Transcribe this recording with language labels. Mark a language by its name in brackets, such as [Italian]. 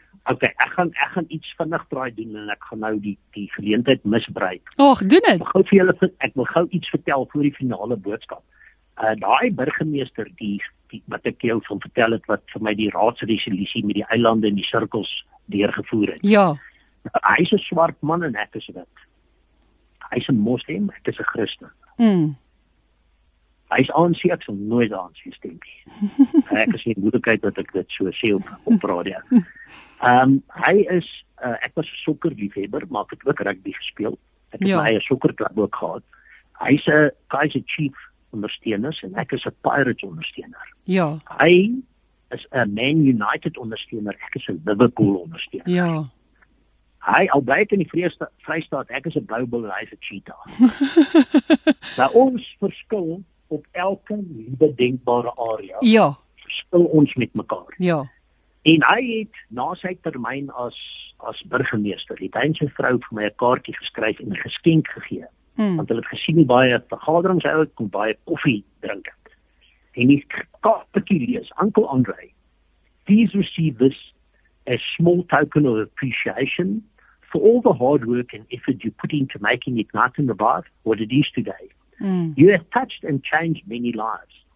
[Afrikaans] OK, ek gaan iets vinnig draai doen en ek gaan nou die geleentheid misbruik. Ag, doen dit. Ek wil gou iets vertel voor die finale boodskap. Daai burgemeester die wat ek jou van vertel het wat vir my die raadsresolusie met die eilande en die sirkels deurgevoer het. Ja. Hy is 'n swart man en ek is wit. Hy is 'n moslim, ek is 'n Christen. Hy is ANC, ek sal nooit ANC stem nie. Ek is nie moedigheid dat ek dit so sê op radio. Hy is, ek was sokkerliefhebber, maar ek het ook rugby gespeel. Ek het my eie sokkerklub ook gehad. Hy is 'n Kaiser Chief ondersteuner en ek is 'n Pirates ondersteuner. Ja. Hy is 'n Man United ondersteuner, ek is 'n Liverpool ondersteuner. Ja. Hy, al blyk in die Vrystaat, ek is 'n Bobble en hy is 'n Cheetah. Nou ons verskil op elke liewe denkbare area. Ja. Verskil ons met mekaar. Ja. En hy het na sy termyn as burgemeester, het hy en sy vrou vir my 'n kaartjie geskryf en 'n geskenk gegee. Hmm. Want hulle het gesien hoe baie vergaderings hy kon baie koffie drink. En die kaartjie lees, [English] Uncle Andre, please receive this as a small token of appreciation for all the hard work and effort you put into making Ignite in the Bath what it is today. Mm. You have touched and changed many lives.